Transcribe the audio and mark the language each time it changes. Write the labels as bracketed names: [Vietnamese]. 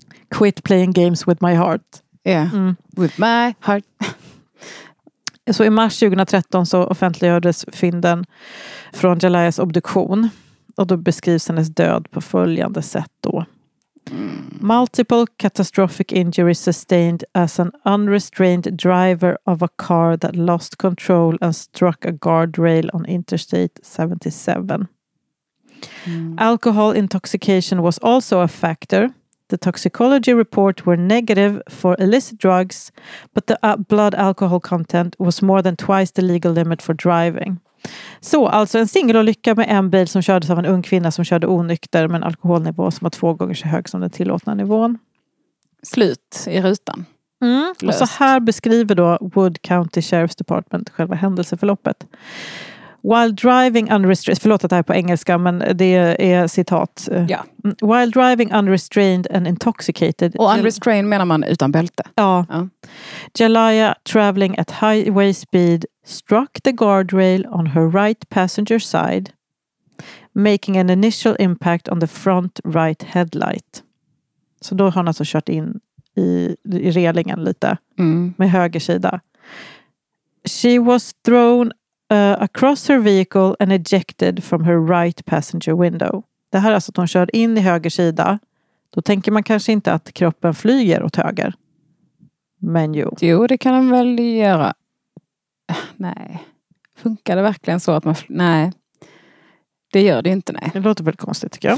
[English] Quit playing games with my heart. Yeah. Mm. With my heart. [Swedish] Så i mars 2013 så offentliggördes fynden från Jalias obduktion. Och då beskrivs hennes död på följande sätt då. [English] Multiple catastrophic injuries sustained as an unrestrained driver of a car that lost control and struck a guardrail on Interstate 77. Alcohol intoxication was also a factor. The toxicology report were negative for illicit drugs, but the blood alcohol content was more than twice the legal limit for driving. [Swedish] Så, alltså en singelolycka med en bil som kördes av en ung kvinna som körde onykter med en alkoholnivå som var 2 gånger så hög som den tillåtna nivån. Slut i rutan. Mm. Och så här beskriver då Wood County Sheriff's Department själva händelseförloppet. [English] While driving unrestrained, [Swedish] förlåt att det här är på engelska, men det är citat. Ja. [English] While driving unrestrained and intoxicated. [Swedish] Och unrestrained menar man utan bälte. Ja. [English] Jalaya, traveling at highway speed, struck the guardrail on her right passenger side, making an initial impact on the front right headlight. [Swedish] Så då har hon alltså kört in i relingen lite. Mm. Med höger sida. [English] She was thrown across her vehicle and ejected from her right passenger window. [Swedish] Det här är alltså att hon kör in i höger sida. Då tänker man kanske inte att kroppen flyger åt höger. Men jo. Jo, det kan man väl göra. Nej. Funkar det verkligen så att man... Nej. Det gör det inte, nej. Det låter väl konstigt, tycker jag.